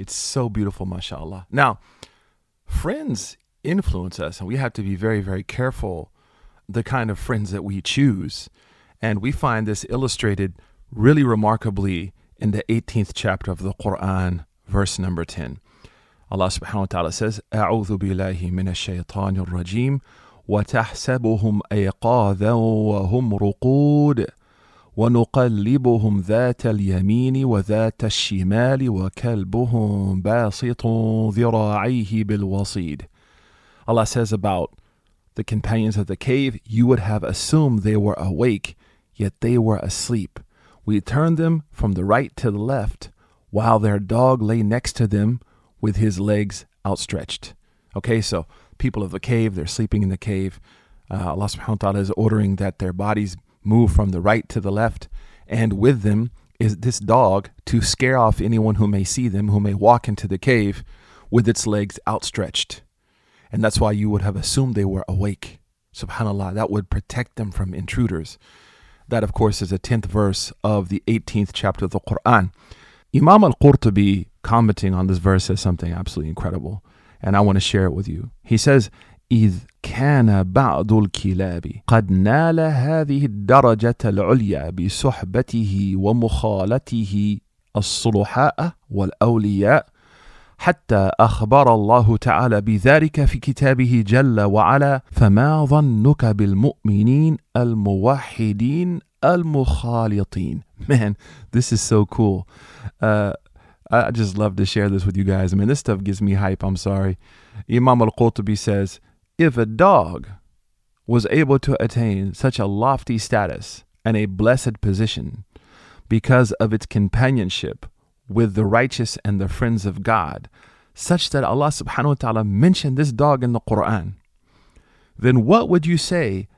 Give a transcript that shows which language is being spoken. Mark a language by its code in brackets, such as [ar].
[en] It's so beautiful, mashallah. Now, friends influence us, and we have to be very, very careful the kind of friends that we choose. And we find this illustrated really remarkably in the 18th chapter of the Quran, verse number 10. Allah subhanahu wa ta'ala says, [ar] أعوذ بالله من الشيطان الرجيم وتحسبهم أيقاظا وهم رقود ونقلبهم ذات اليمين وذات الشمال وكلبهم باسط ذراعيه بالوصيد. [en] Allah says about the companions of the cave, you would have assumed they were awake, yet they were asleep. We turned them from the right to the left while their dog lay next to them with his legs outstretched. Okay, so people of the cave, they're sleeping in the cave. Allah subhanahu wa ta'ala is ordering that their bodies move from the right to the left. And with them is this dog to scare off anyone who may see them, who may walk into the cave with its legs outstretched. And that's why you would have assumed they were awake. SubhanAllah, that would protect them from intruders. That, of course, is the 10th verse of the 18th chapter of the Quran. Imam al-Qurtubi, commenting on this verse, says something absolutely incredible. And I want to share it with you. He says, [ar] إِذْ كَانَ بَعْضُ الْكِلَابِ قَدْ نَالَ هَذِهِ الدَّرَجَةَ الْعُلْيَا بِصُحْبَتِهِ وَمُخَالَتِهِ الصُّلُحَاءَ وَالْأَوْلِيَاءَ حتى أخبر الله تعالى بذلك في كتابه جل وعلا فما ظنك بالمؤمنين الموحدين المخالطين. [en] Man, this is so cool. I just love to share this with you guys. I mean, this stuff gives me hype. I'm sorry. Imam al-Qurtubi says, if a dog was able to attain such a lofty status and a blessed position because of its companionship with the righteous and the friends of God, such that Allah subhanahu wa ta'ala mentioned this dog in the Quran, then what would you say